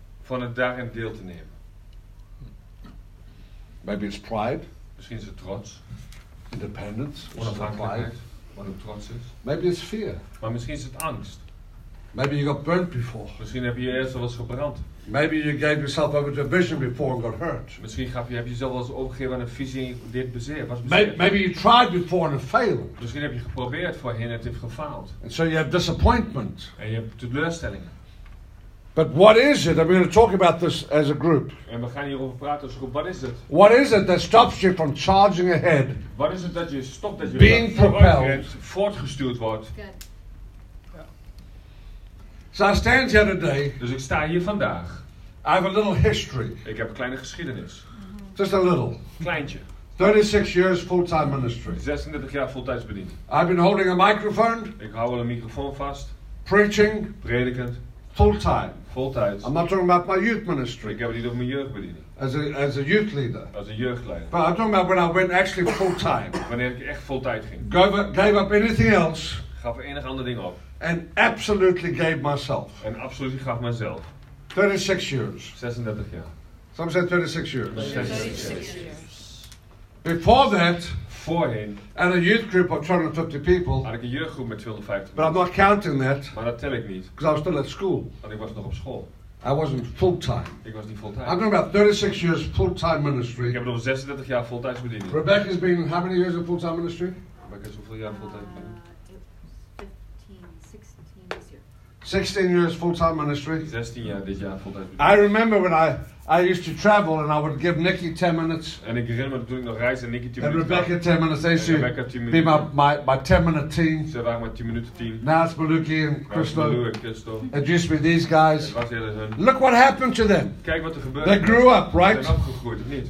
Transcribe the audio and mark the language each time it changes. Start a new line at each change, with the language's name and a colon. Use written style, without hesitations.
Dutch: Van het daarin deel te nemen.
English: Maybe it's pride.
Dutch: Misschien is het trots.
English: Independence.
Dutch: Onafhankelijkheid. Wat ook trots is.
English: Maybe it's fear.
Dutch: Maar misschien is het angst.
English: Maybe you got burnt before.
Dutch: Misschien heb je eerst al eens gebrand.
English: Maybe you gave yourself over to a vision before and got hurt.
Dutch: Misschien heb je jezelf al eens overgegeven aan een visie en dit bezeerd.
English: Maybe you tried before and failed.
Dutch: Misschien heb je geprobeerd voorheen en het heeft gefaald.
English: And so you have disappointment.
Dutch: En je hebt teleurstellingen.
English: But what is it? I'm going to talk about this as a group.
Dutch: En we gaan hierover praten als groep. Wat is het?
English: What is it that stops you from charging ahead?
Dutch: Wat is het dat je stopt dat je
English: being propelled,
Dutch: voortgestuurd wordt?
English: Good. Yeah. So I stand here today.
Dutch: Dus ik sta hier vandaag.
English: I have a little history.
Dutch: Ik heb een kleine geschiedenis.
English: Mm-hmm. Just a little.
Dutch: Kleintje.
English: 36 years full-time ministry.
Dutch: 36 jaar voltijds bediend.
English: I've been holding a microphone.
Dutch: Ik hou wel een microfoon vast.
English: Preaching.
Dutch: Predikend.
English: Full-time.
Dutch: Full-time.
English: I'm not talking about my youth ministry.
Dutch: Ik heb het niet over mijn jeugdbediening.
English: As a youth leader.
Dutch: Als een jeugdleider.
English: But I'm talking about when I went actually full-time.
Dutch: Wanneer ik echt full-time ging.
English: Gave up anything else.
Dutch: Gaf enig ander ding op.
English: And absolutely gave myself.
Dutch: En absoluut gaf mezelf.
English: 36 years.
Dutch: 36 jaar.
English: Some said 36 years. 36 years. Before that.
Dutch: Voorheen.
English: And a youth group of 250 people.
Dutch: Had ik een jeugdgroep met 250 mensen.
English: But I'm not counting that.
Dutch: Maar dat tel ik niet.
English: Because I was still at school.
Dutch: Want ik was nog op school.
English: I wasn't full-time.
Dutch: Ik was niet full-time.
English: I'm talking about 36 years full-time ministry.
Dutch: Ik heb nog 36 jaar full-time bediening.
English: Rebecca's been how many years in full-time ministry?
Dutch: Rebecca's hoeveel jaar full-time bediening?
English: 15, 16. 16 years full-time ministry.
Dutch: 16 jaar dit jaar full-time
English: ministry. I remember when I used to travel and I would give Nikki 10 minutes.
Dutch: En ik herinner me toen ik nog reisde, Nikki 10 minuten.
English: And Rebecca 10 minutes. They should
Dutch: Rebecca 10
English: be my 10 minute team.
Dutch: Ze waren mijn 10 minuten team.
English: Now it's Maluki and Christo. Maluki and Christo. It used to be these guys.
Dutch: Het was eerder hun.
English: Look what happened to them.
Dutch: Kijk wat er gebeurde.
English: They grew up, right?
Dutch: Ze zijn opgegroeid, of niet?